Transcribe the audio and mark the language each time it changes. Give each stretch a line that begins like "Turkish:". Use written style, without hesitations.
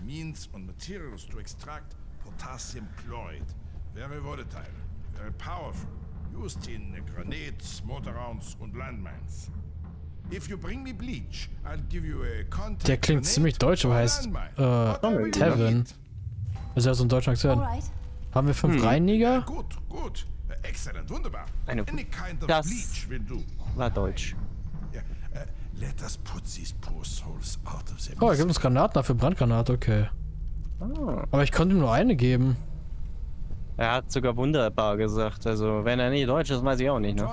English: The means and materials to extract potassium chloride. Very volatile, very powerful. Used in grenades, mortar rounds and landmines. If you bring me bleach, I'll give you a contact.
German: Der klingt ziemlich deutsch, aber heißt Tavin. Ist ja so ein deutscher Akzent. Haben wir 5 Reiniger? Gut, gut. Excellent, wunderbar.
English: Any kind of bleach will do.
German: War deutsch.
English: Let us put these poor souls out of the mist.
German: Oh, er gibt uns Granaten dafür, Brandgranate, okay. Ah. Aber ich konnte ihm nur eine geben. Er hat sogar wunderbar gesagt, also wenn er nicht deutsch ist, weiß ich auch nicht, ne?